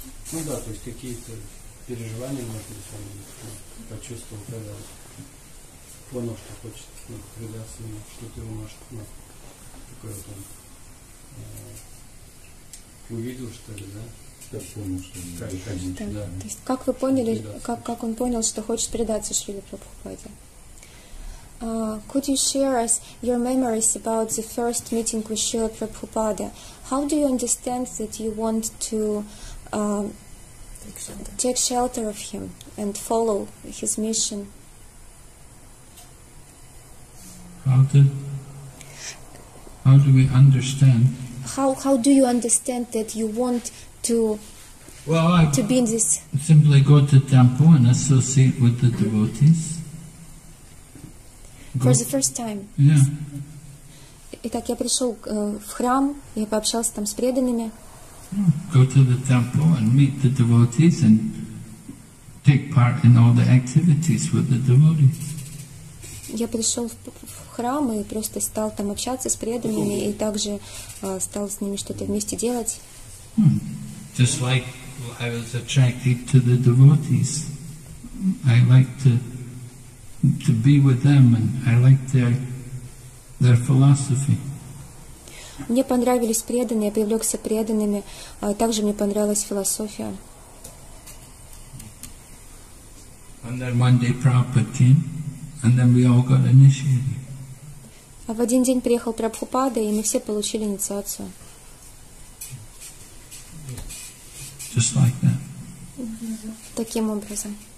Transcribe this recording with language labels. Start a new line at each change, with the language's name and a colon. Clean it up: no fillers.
Russian: Ну да, то есть какие-то переживания, может быть, он почувствовал, когда понял, что хочет, ну, предаться ему, что ты его может, ну, такое вот он увидел, что ли, да? Как понял, что он хочет, да. То есть как вы поняли, как он понял, что хочет предаться Шриле Прабхупаде?
English: Could you share us your memories about the first meeting with Srila Prabhupada? How do you understand that you want to take shelter of him and follow his mission? How do we understand? How do you understand that you want to to be in this? Simply go to temple and associate with the devotees. For the first time. Yeah.
Russian: Итак, я пришел в храм, я пообщался там с преданными.
English: Go to the temple and meet the devotees and take part in all the activities with the devotees.
Russian: Я пришел в храм и просто стал там общаться с преданными и также стал с ними что-то вместе делать.
English: Just like I was attracted to the devotees, I like to be with them and I like their philosophy.
Russian: Мне понравились преданные, я привлекся преданными, также мне понравилась философия.
English: And then one day Prabhupada came, and then we all got initiated.
Russian: А в один день приехал Прабхупада, и мы все получили инициацию.
English: Just like that.
Russian: Таким образом.